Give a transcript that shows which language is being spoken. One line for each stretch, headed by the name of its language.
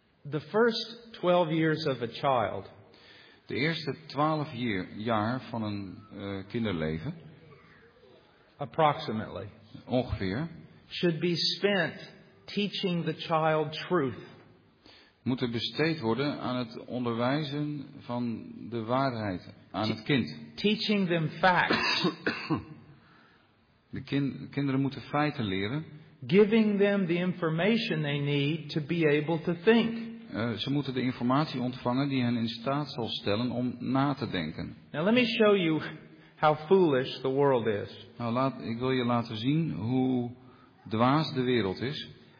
English: The first 12 years of a child.
Dutch: De eerste 12 jaar van een kinderleven.
English: Approximately.
Dutch: Ongeveer.
English: Should be spent teaching the child truth.
Dutch: Moeten besteed worden aan het onderwijzen van de waarheid aan het kind.
English: Teaching them facts.
Dutch: De kinderen moeten feiten leren.
English: Giving them the information they need to be able to think.
Dutch: Ze moeten de informatie ontvangen die hen in staat zal stellen om na te denken.
English: Now let me show you how foolish the world is.
Dutch: Nou, ik wil je laten zien hoe dwaas de wereld is.